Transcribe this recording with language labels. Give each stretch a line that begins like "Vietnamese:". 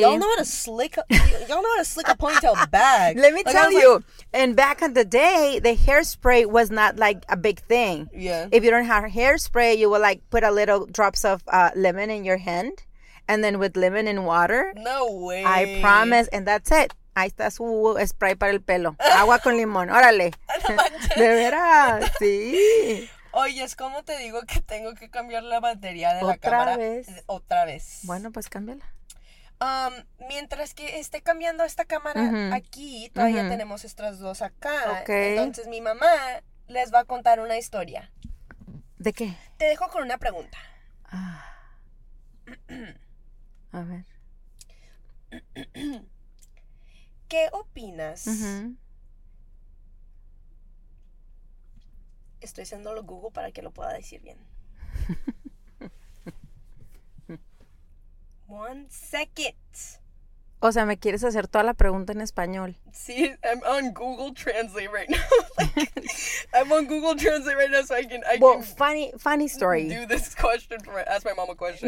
English: Because y'all know how to slick a ponytail back. Let me tell you. And back in the day, the hairspray was not like a big thing. Yeah. If you don't have hairspray, you will like put a little drops of lemon in your hand. And then with lemon and water. No way. I promise. And that's it.
Spanish: Ahí está su spray para el pelo. Agua con limón. Órale. De veras. Sí. Oye, es como te digo que tengo que cambiar la batería de otra la cámara. Otra vez. Bueno, pues cámbiala. Mientras que esté cambiando esta cámara aquí, todavía tenemos estas dos acá. Okay. Entonces mi mamá les va a contar una historia. ¿De qué? Te dejo con una pregunta. A ver. ¿Qué opinas? Estoy haciendo lo Google para que lo pueda decir bien.
English: One second.
Spanish: O sea, ¿me quieres hacer toda la pregunta en español?
English: Sí, I'm on Google Translate right now. Like, I'm on Google Translate right now so I can funny story. Do this question, ask my mom a question.